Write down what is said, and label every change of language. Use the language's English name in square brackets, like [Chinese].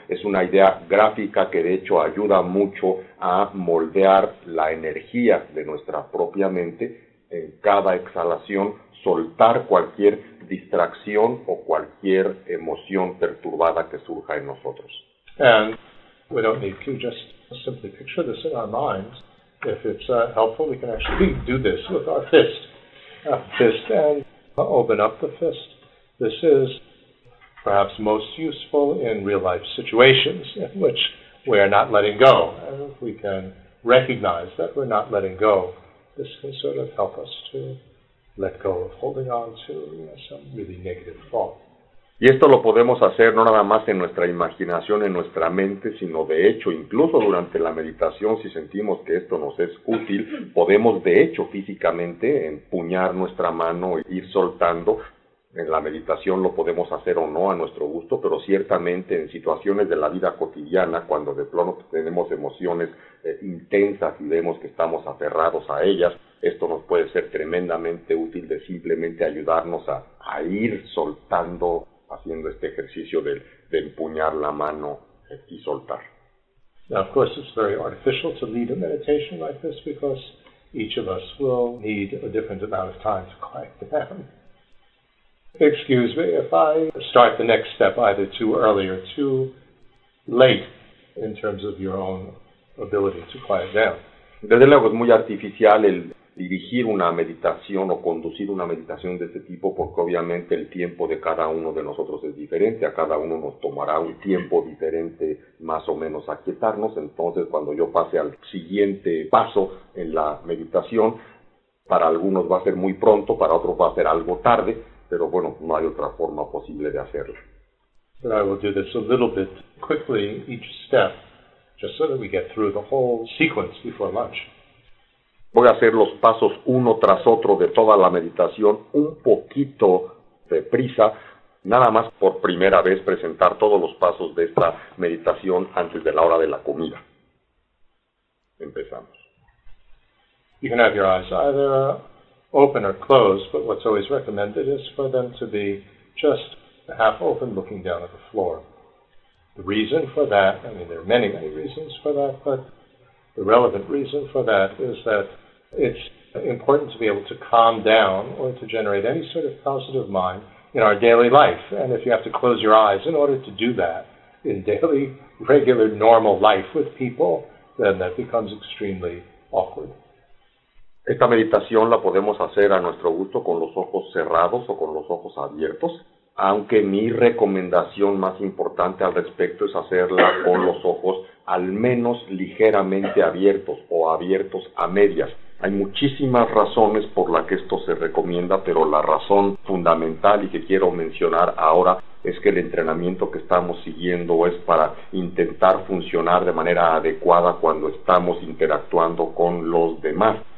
[Spanish] Es una idea gráfica que de hecho ayuda mucho a moldear la energía de nuestra propia mente. En cada exhalación, soltar cualquier distracción o cualquier emoción perturbada que surja en nosotros. [English] And we don't need to just simply picture this in our minds. If it's helpful, we can actually do this with our fist. Fist and open up the fist. This is perhaps most useful in real life situations in which we are not letting go. And if we can recognize that we're not letting go, this can sort of help us to let go of holding on to, you know, some really negative thought. [Spanish] Y esto lo podemos hacer no nada más en nuestra imaginación, en nuestra mente, sino de hecho, incluso durante la meditación, si sentimos que esto nos es útil, podemos de hecho físicamente empuñar nuestra mano e ir soltando. En la meditación lo podemos hacer o no a nuestro gusto, pero ciertamente en situaciones de la vida cotidiana, cuando de plano tenemos emociones intensas y vemos que estamos aferrados a ellas, esto nos puede ser tremendamente útil de simplemente ayudarnos a ir soltando, haciendo este ejercicio de empuñar la mano y soltar. [English] Now, of course, it's very artificial to lead a meditation like this because each of us will need a different amount of time to quiet down. Excuse me if I start the next step either too early or too late in terms of your own ability to quiet down. [Spanish] Desde luego es muy artificial el dirigir una meditación o conducir una meditación de este tipo porque obviamente el tiempo de cada uno de nosotros es diferente, a cada uno nos tomará un tiempo diferente más o menos aquietarnos. Entonces cuando yo pase al siguiente paso en la meditación, para algunos va a ser muy pronto, para otros va a ser algo tarde, pero bueno, no hay otra forma posible de hacerlo. [English] But I will do this a little bit quickly each step, just so that we get through the whole sequence before lunch. [Spanish] Voy a hacer los pasos uno tras otro de toda la meditación un poquito deprisa, nada más por primera vez presentar todos los pasos de esta meditación antes de la hora de la comida. Empezamos. [English] You can have your eyes either open or closed, but what's always recommended is for them to be just half open, looking down at the floor. The reason for that, I mean, there are many, many reasons for that, but the relevant reason for that is that it's important to be able to calm down or to generate any sort of positive mind in our daily life. And if you have to close your eyes in order to do that in daily, regular, normal life with people, then that becomes extremely awkward. [Spanish] Esta meditación la podemos hacer a nuestro gusto con los ojos cerrados o con los ojos abiertos, aunque mi recomendación más importante al respecto es hacerla con los ojos al menos ligeramente abiertos o abiertos a medias. Hay muchísimas razones por las que esto se recomienda, pero la razón fundamental y que quiero mencionar ahora es que el entrenamiento que estamos siguiendo es para intentar funcionar de manera adecuada cuando estamos interactuando con los demás.